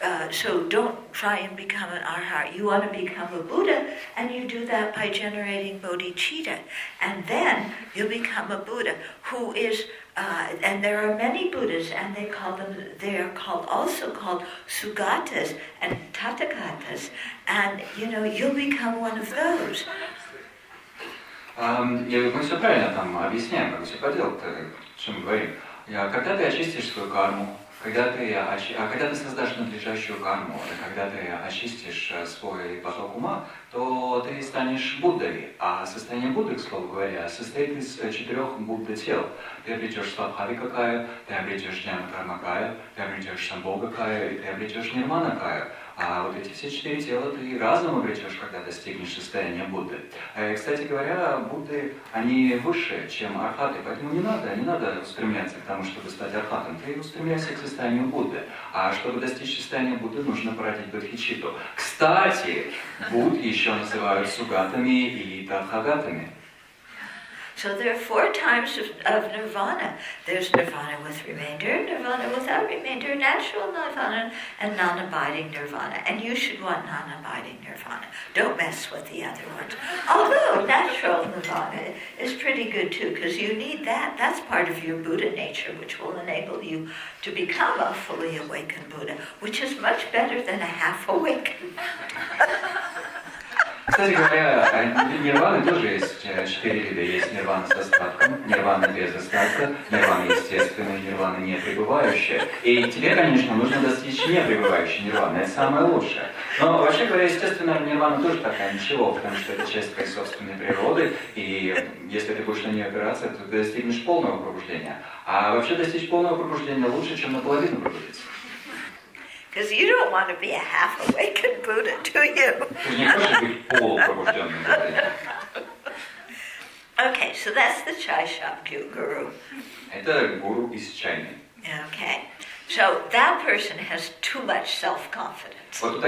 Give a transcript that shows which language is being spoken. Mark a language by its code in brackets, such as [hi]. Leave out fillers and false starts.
[en] So don't try and become an Arhat. You want to become a Buddha, and you do that by generating bodhicitta, and then you become a Buddha who is. And there are many Buddhas, and they are also called Sugatas and Tathagatas, and you know you'll become one of those. [ru] Мы все правильно там объясняем, как все поделать, чем говорим. Когда ты очистишь свою карму, когда ты создашь надлежащую карму, когда ты очистишь свой поток ума, то ты станешь Буддой. А состояние Будды, к слову говоря, состоит из четырех Будда-тел. Ты обретешь Свабхавикакаю, ты обретешь Джнанакармакаю, ты обретешь Самбхогакаю и ты обретешь Нирманакаю. А вот эти все четыре тела ты разум обретешь, когда достигнешь состояния Будды. Кстати говоря, Будды, они выше, чем архаты, поэтому не надо устремляться к тому, чтобы стать архатом. Ты устремляйся к состоянию Будды. А чтобы достичь состояния Будды, нужно породить бодхичитту. Кстати, Будд еще называют сугатами или тадхагатами. [en] So there are four times of nirvana. There's nirvana with remainder, nirvana without remainder, natural nirvana, and non-abiding nirvana. And you should want non-abiding nirvana. Don't mess with the other ones. Although natural nirvana is pretty good too, because you need that. That's part of your Buddha nature, which will enable you to become a fully awakened Buddha, which is much better than a half awakened. [ru] Кстати говоря, нирваны тоже есть четыре вида. Есть нирвана с остатком, нирвана без остатка, нирвана естественная, нирвана непребывающая. И тебе, конечно, нужно достичь непребывающей нирваны, это самое лучшее. Но вообще говоря, естественно, нирвана тоже такая ничего, потому что это часть твоей собственной природы, и если ты будешь на ней опираться, то ты достигнешь полного пробуждения. А вообще достичь полного пробуждения лучше, чем наполовину пробудиться. [en] Because you don't want to be a half-awakened Buddha, do you? Okay, so that's the Chaishabgyu guru. Okay, so that person has too much self-confidence.